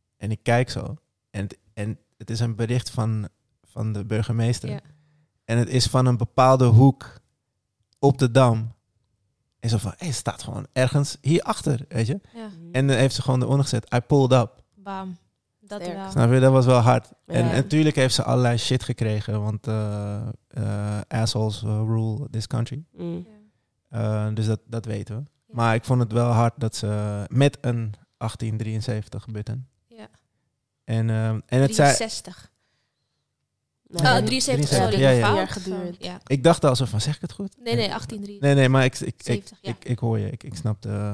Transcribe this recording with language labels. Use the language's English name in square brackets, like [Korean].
[Dutch] En ik kijk zo, en het is een bericht van de burgemeester. [English] Yeah. [Dutch] En het is van een bepaalde hoek op de Dam. En zo van, staat gewoon ergens hierachter, weet je? Ja. En dan heeft ze gewoon eronder gezet. [English] I pulled up. [Dutch] Bam. Dat wel. Snap je? Dat was wel hard. Ja. En natuurlijk heeft ze allerlei shit gekregen. [English] Want assholes rule this country. [Dutch] Mm. Ja. Dus dat weten we. Ja. Maar ik vond het wel hard dat ze met een 1873 button. Ja. En het 63. Zei... Nee. Oh, 73, sorry. Ja, jaar geduurd. Ik dacht al zo van, zeg ik het goed? Nee, 1873. Nee, maar ik hoor je. Ik snap de...